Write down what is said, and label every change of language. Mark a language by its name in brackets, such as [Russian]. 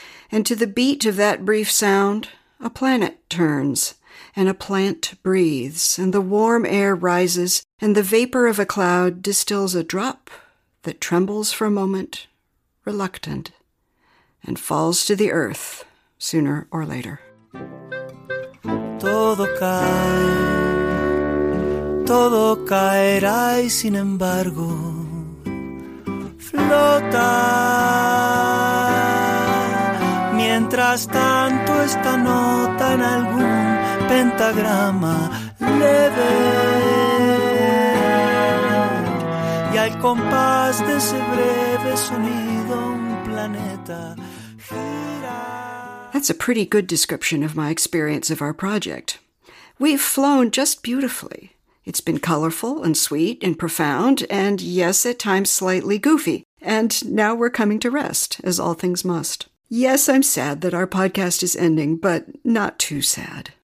[English] And to the beat of that brief sound, a planet turns, and a plant breathes, and the warm air rises, and the vapor of a cloud distills a drop that trembles for a moment, reluctant, and falls to the earth sooner or later. [Spanish] Todo cae, todo caerá y sin embargo flota. Mientras tanto esta nota en algún pentagrama leve. Y al compás de ese breve sonido un planeta gira. [English] That's a pretty good description of my experience of our project. We've flown just beautifully. It's been colorful and sweet and profound and, yes, at times slightly goofy. And now we're coming to rest, as all things must. Yes, I'm sad that our podcast is ending, but not too sad.